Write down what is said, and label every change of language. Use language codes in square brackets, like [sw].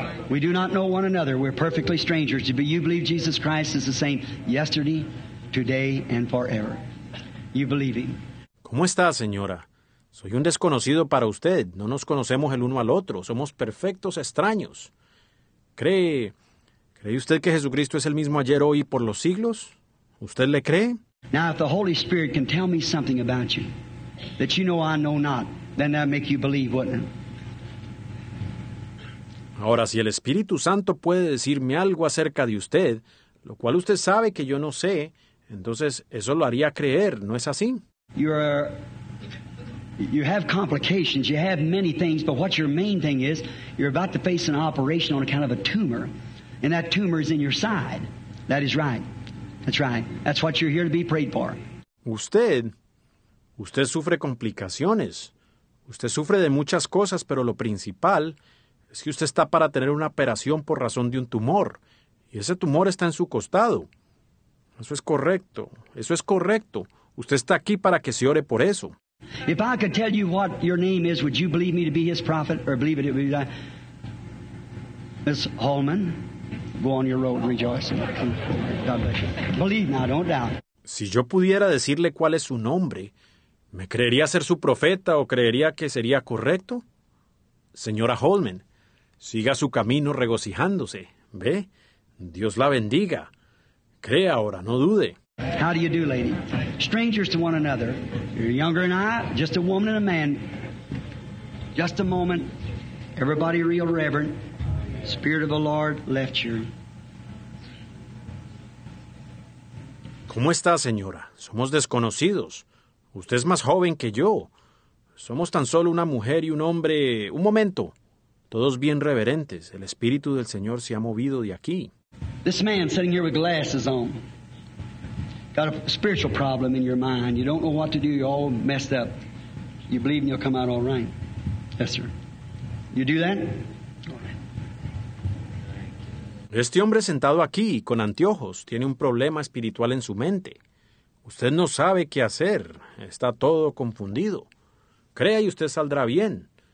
[en] We do not know one another. We're perfectly strangers. But you believe Jesus Christ is the same yesterday, today, and forever. You believe him. [es] ¿Cómo está, señora? Soy un desconocido para usted. No nos conocemos el uno al otro. Somos perfectos extraños. Cree... ¿Cree usted que Jesucristo es el mismo ayer, hoy y por los siglos? ¿Usted le cree? [en] Now, if the Holy Spirit can tell me something about you that you know I know not, then that make you believe, wouldn't it? [es] Ahora, si el Espíritu Santo puede decirme algo acerca de usted, lo cual usted sabe que yo no sé, entonces eso lo haría creer, ¿no es así? [en] You have complications, you have many things, but what your main thing is, you're about to face an operation on account of a tumor. And that tumor is in your side. That is right. That's right. That's what you're here to be prayed for. [es] Usted sufre complicaciones. Usted sufre de muchas cosas, pero lo principal es que usted está para tener una operación por razón de un tumor. Y ese tumor está en su costado. Eso es correcto. Eso es correcto. Usted está aquí para que se ore por eso. [en] If I could tell you what your name is, would you believe me to be his prophet or believe it would be that? Miss Holman. Go on your road rejoicing. God bless you. Believe now, don't doubt. [es] Si yo pudiera decirle cuál es su nombre, ¿me creería ser su profeta o creería que sería correcto? Señora Holman, siga su camino regocijándose. ¿Ve? Dios la bendiga. Cree ahora, no dude. [en] How do you do, lady? Strangers to one another. You're younger than I, just a woman and a man. Just a moment. Everybody real reverent. Spirit of the Lord left you. [es] ¿Cómo está, señora? Somos desconocidos. Usted es más joven que yo. Somos tan solo una mujer y un hombre... Un momento. Todos bien reverentes. El Espíritu del Señor se ha movido de aquí. [en] This man sitting here with glasses on. Got a spiritual problem in your mind. You don't know what to do. You're all messed up. You believe you'll come out all right. Yes, sir. You do that? [es] Este hombre sentado aquí, con anteojos, tiene un problema espiritual en su mente. Usted no sabe qué hacer. Está todo confundido. Crea y usted saldrá bien.